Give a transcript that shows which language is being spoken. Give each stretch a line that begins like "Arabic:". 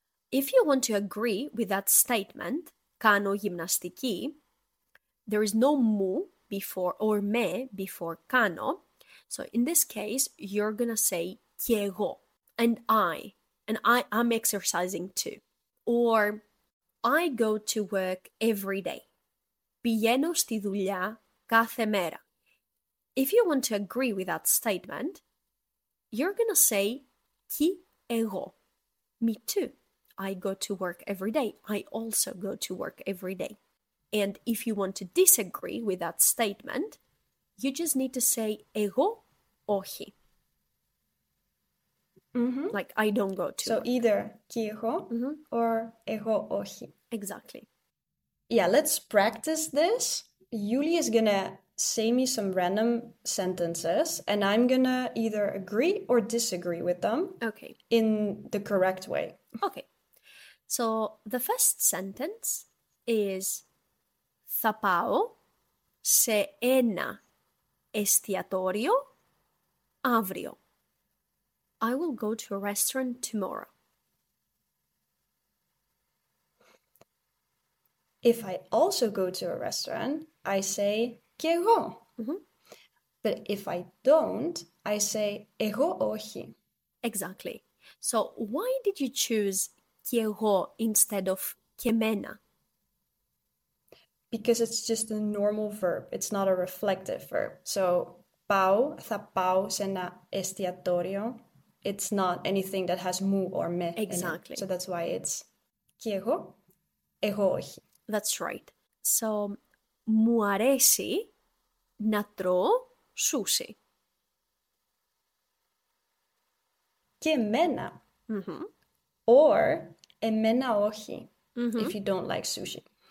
English: If you want to agree with that statement,
Greek: κάνω γυμναστική,
English: there is no μου before or με before κάνω. So in this case, you're going to say
Greek: και εγώ,
English: and I'm exercising too. Or I go to work every day.
Greek: Πηγαίνω στη δουλειά κάθε μέρα.
English: If you want to agree with that statement, you're going to say
Greek: κι εγώ.
English: Me too. I go to work every day. I also go to work every day. And if you want to disagree with that statement, you just need to say
Greek: εγώ όχι. Mm-hmm.
English: Like, I don't go to So work. Either
Greek: κι εγώ
English: mm-hmm. or
Greek: εγώ όχι.
English: Exactly. Yeah, let's practice this. Yuli is going to say me some random sentences and I'm going to either agree or disagree with them. Okay. In the correct way. Okay. So the first sentence is
Greek: θα πάω σε ένα εστιατόριο αύριο.
English: I will go to a restaurant tomorrow. If I also go to a restaurant, I say
Greek: κι εγώ. Mm-hmm.
English: But if I don't, I say
Greek: εγώ όχι.
English: Exactly. So why did you choose
Greek: κι εγώ
English: instead of
Greek: και μένα?
English: Because it's just a normal verb. It's not a reflective verb. So,
Greek: πάω, θα πάω σε ένα εστιατόριο.
English: It's not anything that has μου or με. Exactly. So that's why it's
Greek: κι εγώ, εγώ όχι.
English: That's right. So,
Greek: μου αρέσει να τρώω σούσι. Και εμένα. Mm-hmm.
English: Or
Greek: εμένα όχι,
English: mm-hmm. if you don't like sushi.